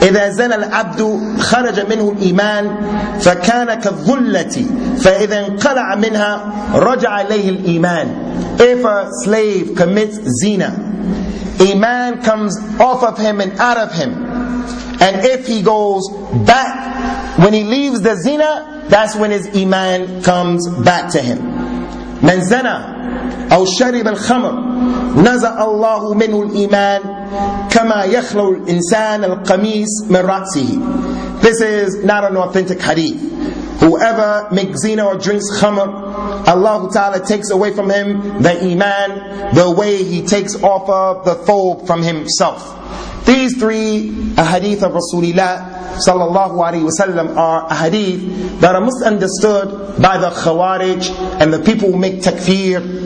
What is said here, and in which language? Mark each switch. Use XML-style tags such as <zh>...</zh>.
<ar>إِذَا زَنَ الْعَبْدُ خَرَجَ مِنْهُ الْإِيمَانِ فَكَانَ كَالظُّلَّةِ فَإِذَا انْقَلَعَ مِنْهَا رَجَعَ إِلَيْهِ الْإِيمَانِ.</ar> <en>If a slave commits zina, iman comes off of him and out of him. And if he goes back, when he leaves the zina, that's when his iman comes back to him.</en> <ar>من زنا أو شرب الخمر نزع الله منه الإيمان كما يخلو الإنسان القميص من رأسه.</ar> <en>This is not an authentic hadith. Whoever makes zina or drinks khamr, Allah Ta'ala takes away from him the iman, the way he takes off of the thawb from himself. These three hadith of Rasulullah sallallahu alayhi wasallam are a hadith that are misunderstood by the khawarij and the people who make takfir.</en>